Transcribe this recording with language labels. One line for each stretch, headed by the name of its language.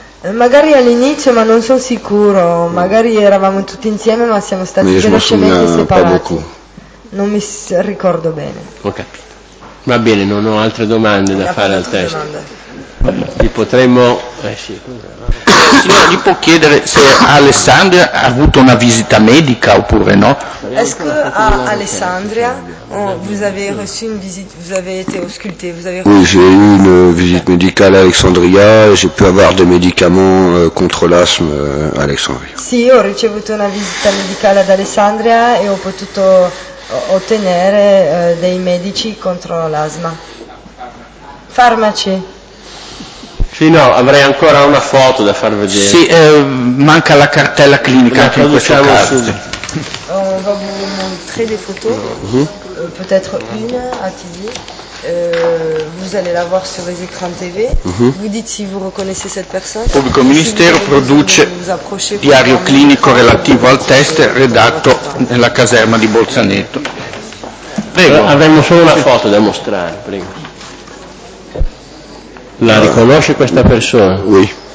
Italian: Magari all'inizio, ma non sono sicuro. Magari eravamo tutti insieme, ma siamo stati velocemente separati.
French: Pas beaucoup.
Italian: Non mi ricordo bene. Ho capito. Va bene, non ho altre domande da fare al testo. Domande. Gli potremmo signora, gli può chiedere se Alessandria ha avuto una visita medica oppure no?
French: Est-ce que a Alessandria vous avez reçu une visite, vous avez été ausculté, vous avez reçu... Oui, j'ai eu une visite médicale à Alexandria et j'ai pu avoir des médicaments contre l'asthme à Alexandria.
Italian: Sì, ho ricevuto una visita medicale ad Alessandria e ho potuto ottenere dei medici contro l'asma. Farmaci. Sì, no, avrei ancora una foto da far vedere. Sì, manca la cartella clinica. La produciamo subito.
French: On va vous montrer des photos, peut-être une à TV. Vous allez la voir sur les écrans TV. Vous dites si vous reconnaissez cette personne.
Italian: Il pubblico ministero produce diario clinico relativo al test redatto nella caserma di Bolzaneto. Prego. Allora, avremo solo una foto da mostrare, prego. La riconosce questa persona?
French: Oui.